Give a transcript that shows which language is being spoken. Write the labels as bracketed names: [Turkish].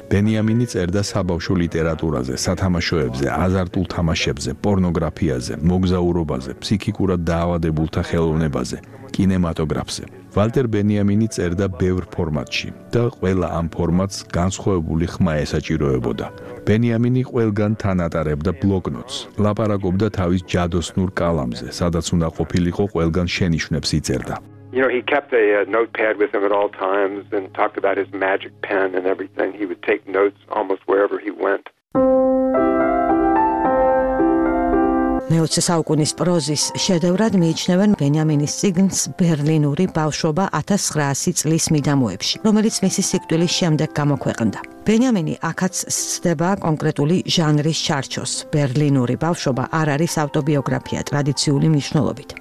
[Georgian] ბენიამინი წერდა საბავშვო ლიტერატურაზე, სათამაშოებზე, აზარტულ თამაშებზე, პორნოგრაფიაზე, მოგზაურობაზე, ფსიქიკურად დაავადებულთა ხელოვნებაზე, კინემატოგრაფზე. ვალტერ ბენიამინი წერდა ბევრ ფორმატში და ყველა ამ ფორმატს განსხვავებული ხმა ესაჭიროებოდა. ბენიამინი ყველგან თან ატარებდა ბლოკნოტს, ლაპარაკობდა თავის ჯადოსნურ კალამზე, სადაც უნდა ყოფილიყო ყველგან შენიშვნებს იწერდა. [English] You know, he kept a notepad with him at all times and talked about his magic pen and everything. He would take notes almost wherever he went. [Georgian] მეოცე საუკუნის პროზის შედევრად მიიჩნევენ ბენიამინის წიგნს ბერლინური ბავშვობა 1900 წლის მიდამოებში, რომელიც მისი სიკვდილის შემდეგ გამოქვეყნდა. ბენიამინი აქაც სწდება კონკრეტული ჟანრის ჩარჩოს. ბერლინური ბავშვობა არ არის ავტობიოგრაფია ტრადიციული მნიშვნელობით.